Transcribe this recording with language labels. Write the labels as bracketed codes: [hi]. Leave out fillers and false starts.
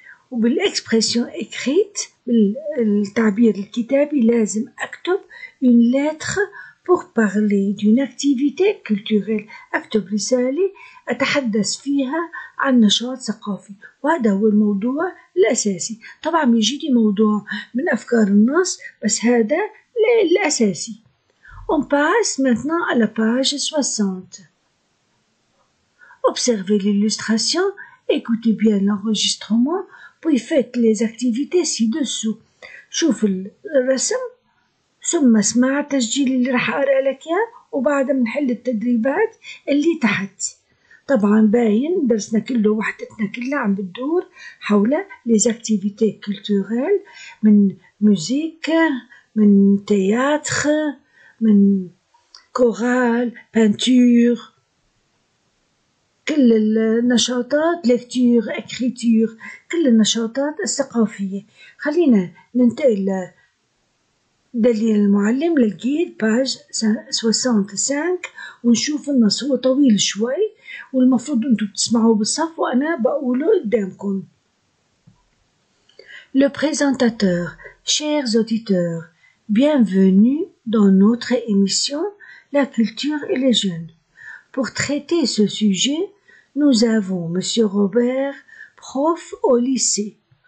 [ar] وبالإكسبريسيون إكريت، بالتعبير الكتابي، لازم أكتب [fr] une lettre pour parler d'une activité culturelle، [ar] أكتب رسالة أتحدث فيها عن نشاط ثقافي، وهذا هو الموضوع الأساسي. طبعا يجيني موضوع من أفكار النص، بس هذا الأساسي. [fr] On passe maintenant à la page 60. Observez l'illustration, écoutez bien l'enregistrement, puis faites les activités ci-dessous. [ar] شوف الرسم ثم اسمع التسجيل اللي راح اقرا لك اياه، وبعدها بنحل التدريبات اللي تحت. طبعا باين درسنا كله، وحدتنا كلها عم بتدور حول لي زاكتيفيتي كولتوريل، من موسيقى، من تياتر، من كورال، بانتور، كل النشاطات، ليكتور، اكريتور، كل النشاطات الثقافيه. خلينا ننتقل دليل المعلم للجيد باج 65 ونشوف النص. هو طويل شوي والمفروض انتم بتسمعوه بالصف وانا بقوله قدامكم. [fr] Le présentateur: Chers auditeurs, bienvenue dans notre émission La culture et les jeunes. Pour traiter ce sujet, nous avons monsieur Robert, prof au lycée.